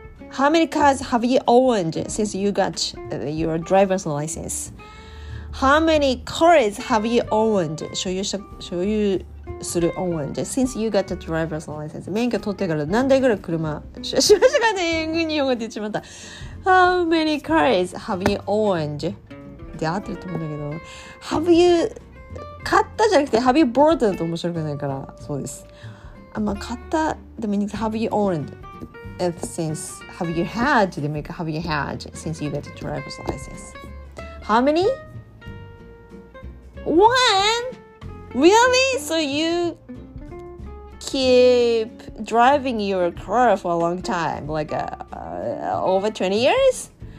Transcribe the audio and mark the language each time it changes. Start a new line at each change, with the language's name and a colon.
English: How many cars have you owned since you got your driver's license? How many cars have you owned? 所有する owned since you got the driver's license.
Japanese: 免許取ってから何台ぐらい車、しばしばね、英語に用語出ちまった。
English: How many cars have you owned?
Japanese: で合ってると思うんだけど、Have you 買ったじゃなくて
English: Have you bought
Japanese: だと面白くないからそうです。あ、まあ、買ったでもいいんです。
English: Have you owned since? Have you had? でもいいか。 Have you had since you got a driver's license? How many? One? Really? So you keep driving your car for a long time, like over 20 years?